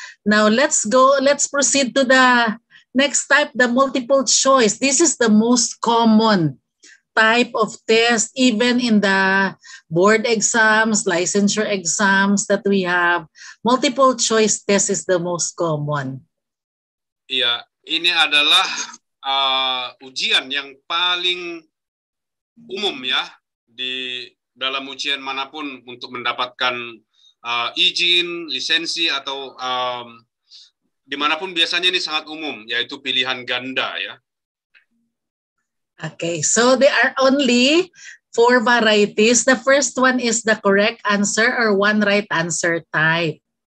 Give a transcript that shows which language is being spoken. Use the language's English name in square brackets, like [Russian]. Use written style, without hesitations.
[English] Now let's proceed to the next type, the multiple choice. This is the most common type of test, even in the board exams, licensure exams that we have, multiple choice test is the most common. [Indonesian] Iya, ini adalah ujian yang paling umum ya, di dalam ujian manapun untuk mendapatkan izin, lisensi, atau dimanapun biasanya ini sangat umum, yaitu pilihan ganda ya. [English] Okay, so there are only 4 varieties. The first one is the correct answer or one right answer type.